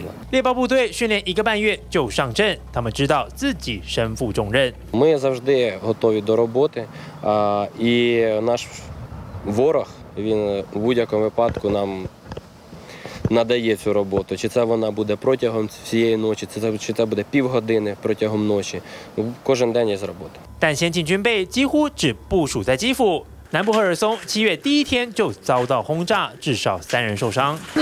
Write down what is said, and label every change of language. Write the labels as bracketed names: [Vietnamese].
[Chinese] 猎豹部队训练一个半月就上阵，他们知道自己身负重任。 [Ukrainian] Він в будь-якому випадку нам надає цю роботу. Чи це вона буде протягом всієї ночі, чи це буде півгодини протягом ночі. Кожен день є з роботи. [Chinese] 但先进军备几乎只部署在基辅。南部赫尔松七月第一天就遭到轰炸，至少3人受伤。